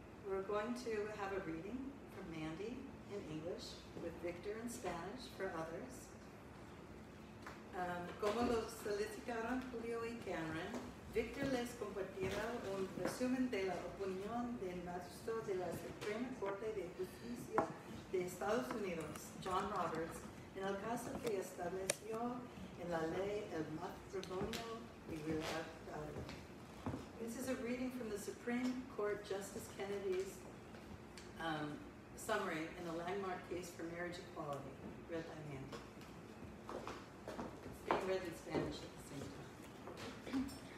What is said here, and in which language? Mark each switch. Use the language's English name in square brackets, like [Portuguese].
[English] We're going to have a reading from Mandy in English with Victor in Spanish for others. [Spanish] Como los solicitaron Julio y Cameron, Victor les compartirá un resumen de la opinión del magistrado de la Suprema Corte de Justicia de Estados Unidos, John Roberts, en el caso que estableció en la ley el matrimonio igualitario. [English] This is a reading from the Supreme Court Justice Kennedy's summary in the landmark case for marriage equality, read by Mandy. It's being read in Spanish at the same time.